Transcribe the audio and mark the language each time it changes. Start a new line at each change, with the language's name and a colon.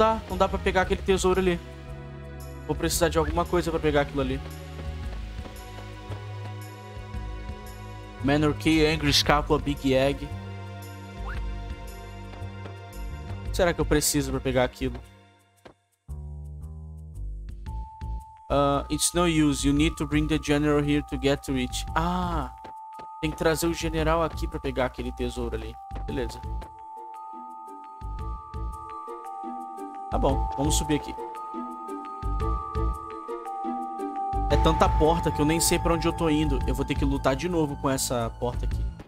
Portuguese: Não dá pra pegar aquele tesouro ali. Vou precisar de alguma coisa pra pegar aquilo ali.
English: Manor Key, Angry Scapula, Big Egg.
Portuguese: Será que eu preciso pra pegar aquilo?
English: It's no use. You need to bring the general here to get to it. Ah!
Portuguese: Tem que trazer o general aqui pra pegar aquele tesouro ali. Beleza. Tá bom. Vamos subir aqui. É tanta porta que eu nem sei pra onde eu tô indo. Eu vou ter que lutar de novo com essa porta aqui.